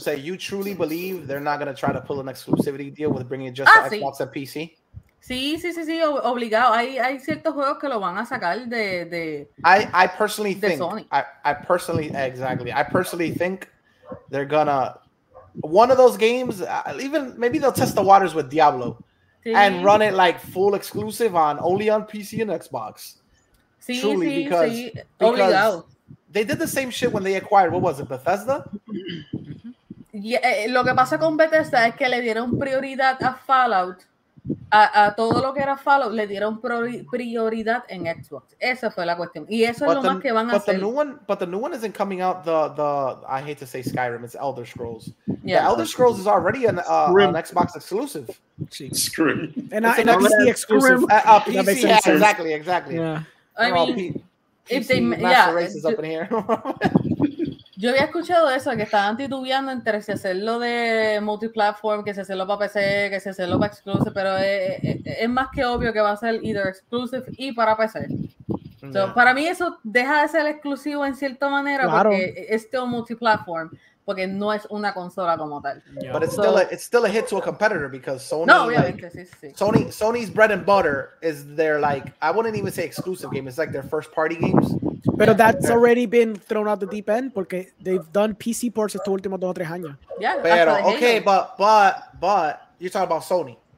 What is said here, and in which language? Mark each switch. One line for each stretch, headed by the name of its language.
English: Say, you truly believe they're not going to try to pull an exclusivity deal with bringing it just to Xbox and PC?
Spanish: Sí, obligado. Hay ciertos juegos que lo van a sacar de
English: I personally think they're gonna one of those games, even maybe they'll test the waters with Diablo and run it like full exclusive on only on PC and Xbox. Because they did the same shit when they acquired, what was it, Bethesda?
Spanish: Yeah, lo que pasa con Bethesda es que le dieron prioridad a Fallout. A todo lo que era Fallout le dieron prioridad en Xbox. Esa fue la cuestión. Y eso es lo más que van a hacer.
English: But the new one isn't coming out. I hate to say Skyrim, it's Elder Scrolls. Yeah. The Elder Scrolls is already an Xbox exclusive. Jeez. Scrim. And it's an PC exclusive. PC, that makes sense. Yeah, exactly. Yeah. Races up in here.
Spanish: Yo había escuchado eso, que estaban titubeando entre si hacerlo de multiplatform, que si hacerlo para PC, que si hacerlo para exclusive, pero es más que obvio que va a ser
English: either exclusive
Spanish: y para PC. Para mí eso deja de ser exclusivo en cierta manera, claro, porque es still multiplatform, porque no es una consola como tal.
English: But it's still a hit to a competitor, because Sony, Sony's bread and butter is their, like, I wouldn't even say exclusive game, it's like their first party games.
Spanish: Pero
English: that's already been thrown out the deep end
Spanish: porque
English: they've done PC ports
Spanish: estos últimos dos o tres años.
English: Yeah,
Spanish: pero,
English: okay, but you're talking about Sony.